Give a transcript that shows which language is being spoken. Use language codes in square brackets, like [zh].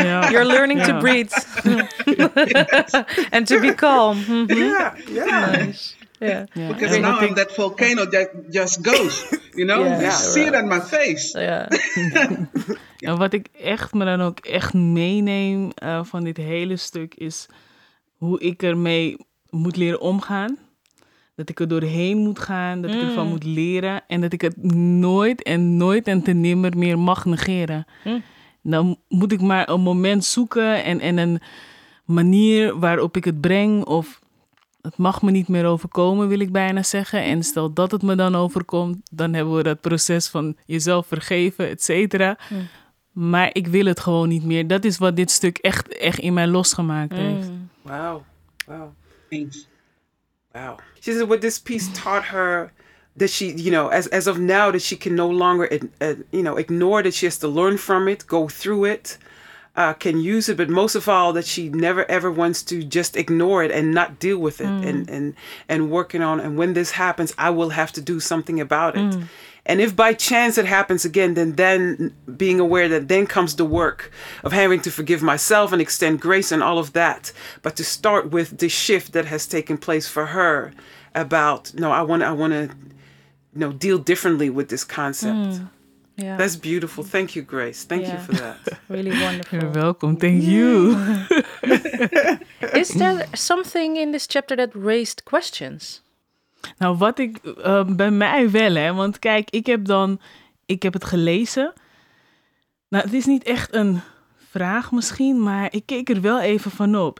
[en] You're learning to breathe and to be calm. Yeah. Yeah. Because now I'm that volcano that just goes, you know? See it on my face. Yeah. [nl] En wat ik echt me dan ook echt meeneem van dit hele stuk is hoe ik ermee moet leren omgaan. Dat ik er doorheen moet gaan, dat ik ervan moet leren. En dat ik het nooit en te nimmer meer mag negeren. Mm. Dan moet ik maar een moment zoeken en een manier waarop ik het breng of... Het mag me niet meer overkomen, wil ik bijna zeggen. En stel dat het me dan overkomt, dan hebben we dat proces van jezelf vergeven, et cetera. Mm. maar ik wil het gewoon niet meer. Dat is wat dit stuk echt, echt in mij losgemaakt heeft. [en] Wow. She said, what this piece taught her, that she, you know, as of now, that she can no longer, you know, ignore, that she has to learn from it, go through it, can use it, but most of all, that she never ever wants to just ignore it and not deal with it and working on, and when this happens, I will have to do something about it. And if by chance it happens again, then being aware that then comes the work of having to forgive myself and extend grace and all of that. But to start with the shift that has taken place for her about, no, I want to you know, deal differently with this concept. Yeah. That's beautiful. Thank you, Grace. Thank you for that. Really wonderful. You're welcome. Thank you. Is there something in this chapter that raised questions? [nl] Nou, wat ik bij mij wel, hè, want kijk, ik heb het gelezen. Nou, het is niet echt een vraag misschien, maar ik keek er wel even van op.